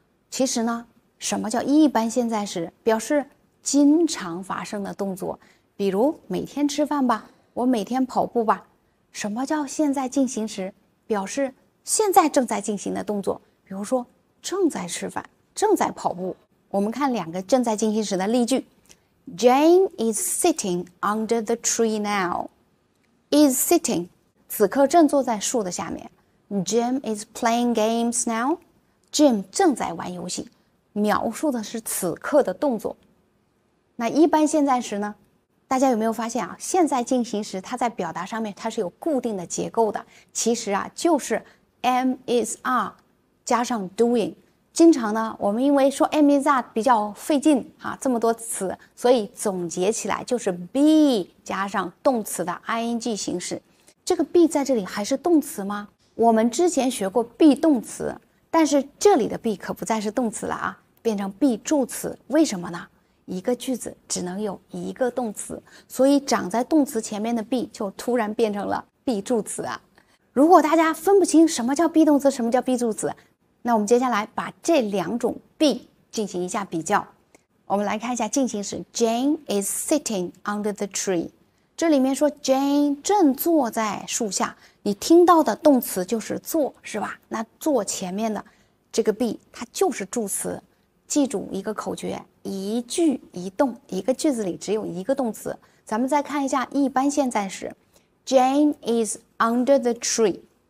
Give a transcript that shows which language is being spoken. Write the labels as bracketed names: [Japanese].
[Chinese] 其实呢，什么叫一般现在时？表示经常发生的动作，比如每天吃饭吧，我每天跑步吧。什么叫现在进行时？表示现在正在进行的动作，比如说正在吃饭，正在跑步。我们看两个正在进行时的例句： [English] Jane is sitting under the tree now. [Chinese] Is sitting，此刻正坐在树的下面。 [English] Jim is playing games now。 [Chinese] Jim 正在玩游戏，描述的是此刻的动作。那一般现在时呢？大家有没有发现啊？现在进行时，它在表达上面它是有固定的结构的。其实啊，就是 am is are 加上 doing，经常呢，我们因为说 am is that 比较费劲哈，这么多词，所以总结起来就是 be 加上动词的 ing 形式。这个 be 在这里还是动词吗？我们之前学过 be 动词，但是这里的 be 可不再是动词了啊，变成 be 助词。为什么呢？一个句子只能有一个动词，所以长在动词前面的 be 就突然变成了 be 助词啊。如果大家分不清什么叫 be 动词，什么叫 be 助词，那我们接下来把这两种 be 进行一下比较。我们来看一下进行时 ， [English] Jane is sitting under the tree。 [Chinese] 这里面说 Jane 正坐在树下，你听到的动词就是坐，是吧？那坐前面的这个 be 它就是助词。记住一个口诀：一句一动，一个句子里只有一个动词。咱们再看一下一般现在时 ， [English] Jane is under the tree。